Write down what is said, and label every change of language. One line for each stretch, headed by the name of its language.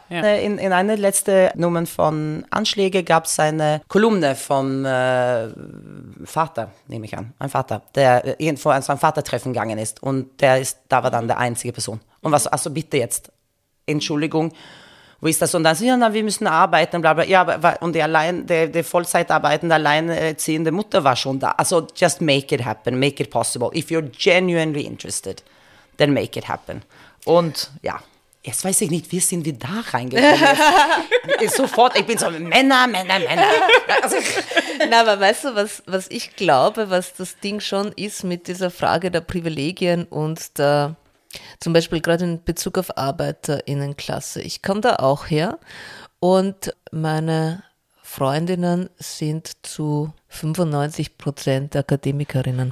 German: In einer letzten Nummer von Anschläge gab es eine Kolumne vom Vater, nehme ich an, ein Vater, der irgendwo an so ein Vatertreffen gegangen ist und der ist, da war dann der einzige Person. Und was, also bitte jetzt, Entschuldigung, wo ist das? Und dann, ja, wir müssen arbeiten, bla bla. Ja, aber, und die allein, der Vollzeit arbeitende, alleinerziehende Mutter war schon da.
English: Also, just make it happen, make it possible. If you're genuinely interested, then make it happen.
German: Und ja, jetzt weiß ich nicht, wie sind wir da reingekommen? Sofort, ich bin so, Männer. Also, na, aber weißt du, was ich glaube, was das Ding schon ist mit dieser Frage der Privilegien und der... Zum Beispiel gerade in Bezug auf ArbeiterInnenklasse. Ich komme da auch her und meine Freundinnen sind zu 95% AkademikerInnen.